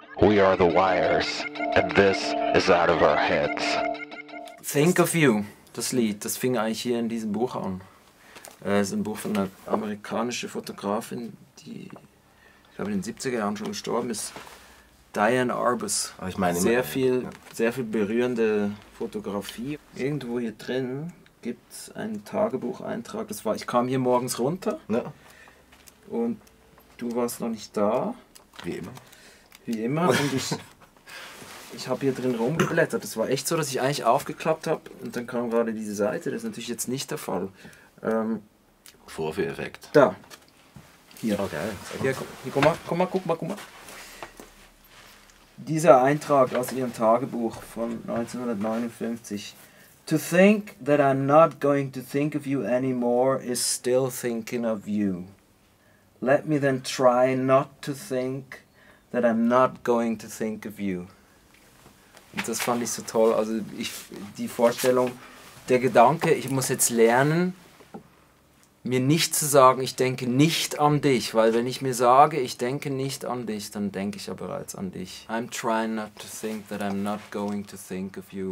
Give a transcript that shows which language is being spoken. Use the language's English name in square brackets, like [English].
[English] We are the wires, and this is out of our heads. [German] Think of You, das Lied, das fing eigentlich hier in diesem Buch an. Es ist ein Buch von einer amerikanischen Fotografin, die, ich glaube, in den 70er Jahren schon gestorben ist. Diane Arbus. Ich meine, sehr viel berührende Fotografie. Irgendwo hier drin gibt es einen Tagebucheintrag. Das war, ich kam hier morgens runter. Ja. Und du warst noch nicht da. Wie immer. Und ich habe hier drin rumgeblättert. Das war echt so, dass ich eigentlich aufgeklappt habe. Und dann kam gerade diese Seite. Das ist natürlich jetzt nicht der Fall. Vorführeffekt. Da. Hier. Okay. Guck mal. Dieser Eintrag aus ihrem Tagebuch von 1959. [English] To think that I'm not going to think of you anymore is still thinking of you. Let me then try not to think that I'm not going to think of you. [German] Und das fand ich so toll. Also ich, die Vorstellung, der Gedanke, ich muss jetzt lernen, mir nicht zu sagen, ich denke nicht an dich. Weil wenn ich mir sage, ich denke nicht an dich, dann denke ich ja bereits an dich. [English] I'm trying not to think that I'm not going to think of you.